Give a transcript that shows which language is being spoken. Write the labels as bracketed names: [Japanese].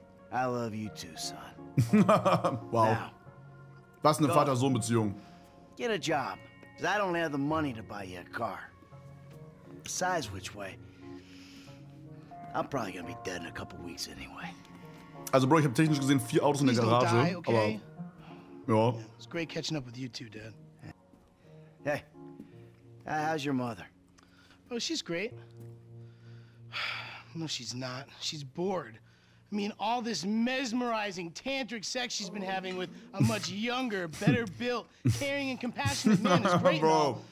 [English] I love you too, son. [German] Wow. Was eine Vater-Sohn Beziehung. [English] Get a job. Because I don't have the money to buy you a car. Besides which way, I'm probably gonna be dead in a couple weeks anyway. [German] Also Bro, ich habe technisch gesehen 4 Autos in der Garage. [English] Please don't die, okay? [German] Aber ja. [English] Yeah, it's great catching up with you too, Dad. Hey, how's your mother? Oh, she's great. No, she's not. She's bored. I mean, all this mesmerizing tantric sex she's been having with a much younger, better built, caring and compassionate man is great. Bro.